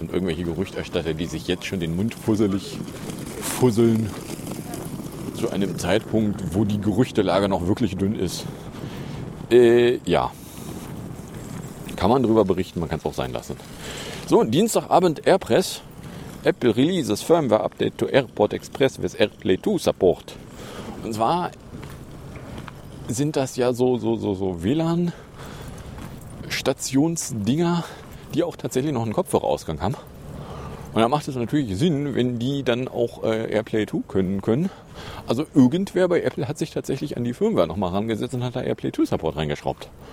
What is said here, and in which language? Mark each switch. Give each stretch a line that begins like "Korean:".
German: Und irgendwelche Gerüchterstatter, die sich jetzt schon den Mund fusseln, zu einem Zeitpunkt, wo die Gerüchtelage noch wirklich dünn ist. Ja, kann man drüber berichten, man kann es auch sein lassen. So, Dienstagabend AirPress.
English: Apple releases Firmware Update to AirPort Express with AirPlay 2 Support.
German: Und zwar sind das ja so WLAN-Stationsdinger, die auch tatsächlich noch einen Kopfhörerausgang haben. Und da macht es natürlich Sinn, wenn die dann auch AirPlay 2 können. Also irgendwer bei Apple hat sich tatsächlich an die Firmware nochmal rangesetzt und hat da AirPlay 2 Support reingeschraubt.